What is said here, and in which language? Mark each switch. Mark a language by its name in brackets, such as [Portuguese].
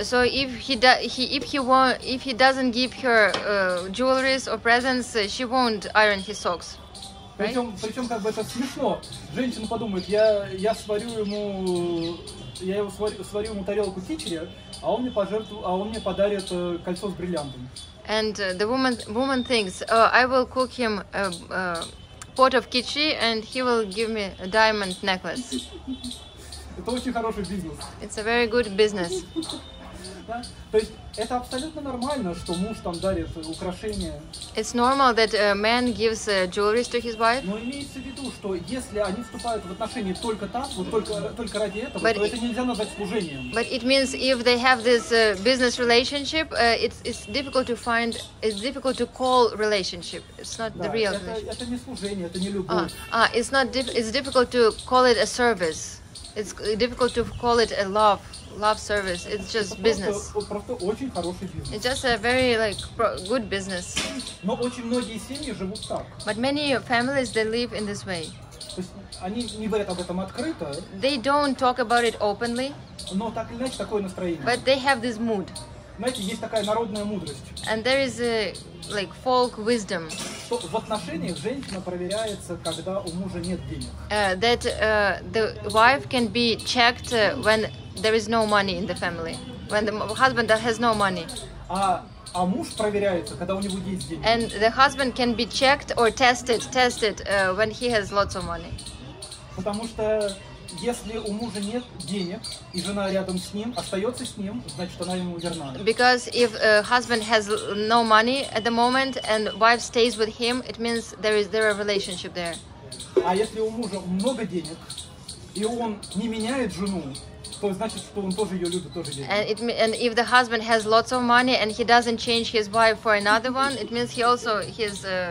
[English] So if he doesn't give her jewelry or presents, she won't iron his socks. Right? [Russian] Причем как бы это смешно. Женщина подумает, я сварю ему, я его сварю ему тарелку кичери, а он мне подарит кольцо с бриллиантом. [English] And the woman thinks, I will cook him a pot of kichri and he will give me a diamond necklace. [Russian] Это очень хороший бизнес. [English] It's a very good business. [Russian] То есть это абсолютно нормально, что муж там дарит украшения. [English] It's normal that a man gives jewelry to his wife. [Russian] Но имеется в виду, что если они вступают в отношения только там, вот только ради этого, but то это нельзя назвать служением. [English] But it means if they have this business relationship, it's difficult to find, it's difficult to call relationship. It's not the real relationship. [Russian] Это не служение, это не любовь. [English] It's difficult to call it a service. It's difficult to call it a love service. It's just business. [Russian] Просто очень хороший бизнес. [English] It's just a very good business. [Russian] Но очень многие семьи живут так. [English] But many families they live in this way. [Russian] То есть они не говорят об этом открыто. [English] They don't talk about it openly. [Russian] Но так или иначе такое настроение. [English] But they have this mood. [Russian] Знаете, есть такая народная мудрость. [English] And there is a folk wisdom. [Russian] В отношениях женщина проверяется, когда у мужа нет денег. [English] That the wife can be checked when there is no money in the family, when the husband that has no money. [Russian] А муж проверяется, когда у него есть деньги. [English] And the husband can be checked or tested when he has lots of money. [Russian] Потому что если у мужа нет денег и жена рядом с ним, остается с ним, значит она ему верна. [English] Because if a husband has no money at the moment and wife stays with him, it means there is a relationship there. [Russian] А если у мужа много денег и он не меняет жену, то значит, что он тоже ее любит, тоже деньги. [English] And if the husband has lots of money and he doesn't change his wife for another one, it means he also his.